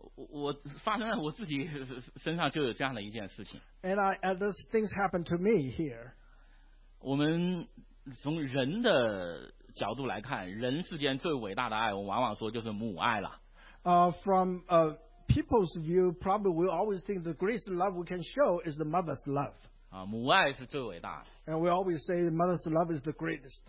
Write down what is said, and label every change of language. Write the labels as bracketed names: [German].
[Chinese] 我发生在我自己身上就有这样的一件事情。 [English] And those things happen to me here. [Chinese] 我们从人的角度来看，人世间最伟大的爱，我往往说就是母爱了。 [English] From people's view, probably we always think the greatest love we can show is the mother's love. [Chinese] 啊，母爱是最伟大的。 [English] And we always say the mother's love is the greatest.